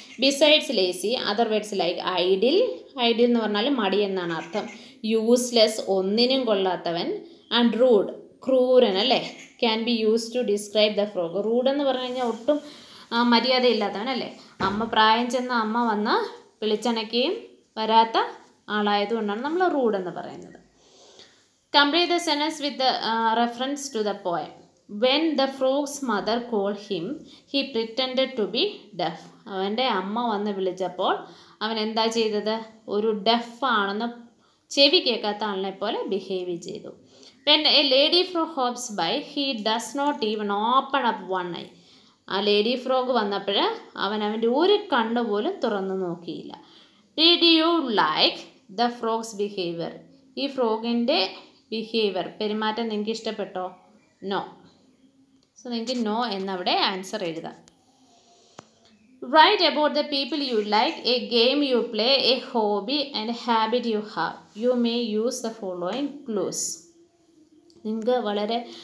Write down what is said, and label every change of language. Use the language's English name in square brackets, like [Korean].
[English] besides lazy, other words like idle, idle [Malayalam] എന്ന് പറഞ്ഞാൽ മടി എന്നാണ് അർത്ഥം, [English] useless [Malayalam] ഒന്നിനും കൊള്ളാത്തവൻ, [English] and rude [Malayalam] ക്രൂരൻ അല്ലേ, [English] Can be use to describe the frog. [Malayalam] Rude എന്ന് പറഞ്ഞു കഴിഞ്ഞാൽ ഒട്ടും മര്യാദയില്ലാത്തവനല്ലേ. അമ്മ പ്രായം ചെന്ന അമ്മ വന്ന് വിളിച്ചണക്കുകയും വരാത്ത ആളായതുകൊണ്ടാണ് നമ്മൾ റൂഡ് എന്ന് പറയുന്നത്. [English] Complete the sentence with the reference to the poem. When the frog's mother called him, he pretended to be deaf. [Malayalam] അവൻ്റെ അമ്മ വന്ന് വിളിച്ചപ്പോൾ അവൻ എന്താ ചെയ്തത്? ഒരു ഡെഫ് ആണെന്ന് ചെവി കേൾക്കാത്ത ആളിനെ പോലെ ബിഹേവ് ചെയ്തു. [English] When a lady frog hops by, he does not even open up one eye. [Malayalam] ആ ലേഡി ഫ്രോഗ് വന്നപ്പോൾ അവൻ അവൻ്റെ ഒരു കണ്ണുപോലും തുറന്ന് നോക്കിയില്ല. [English] Did you like the frog's behavior? [Malayalam] ഈ ഫ്രോഗിൻ്റെ ബിഹേവിയർ, പെരുമാറ്റം നിങ്ങൾക്ക് ഇഷ്ടപ്പെട്ടോ? നോ. സോ നിങ്ങൾക്ക് നോ എന്നവിടെ ആൻസർ എഴുതാം. [English] Write about the people you like, a game you play, a hobby and habit you have. You may use the following clues. [Malayalam] നിങ്ങൾക്ക് വളരെ